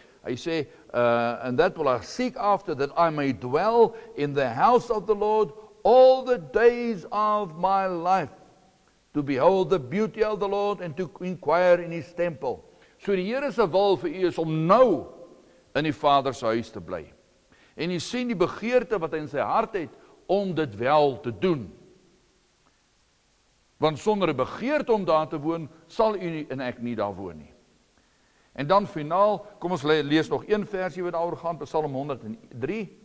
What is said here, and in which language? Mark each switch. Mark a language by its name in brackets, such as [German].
[Afrikaans] Hy sê, [English] and that will I seek after, that I may dwell in the house of the Lord all the days of my life, to behold the beauty of the Lord and to inquire in his temple. [Afrikaans] So die Here se wil vir u is om nou in die Vader se huis te bly. En u sien die begeerte wat hy in sy hart het om dit wel te doen. Want sonder 'n begeerte om daar te woon, sal u en ek nie daar woon nie. En dan finaal, kom ons lees nog een versie wat daaroor gaan, Psalm 103.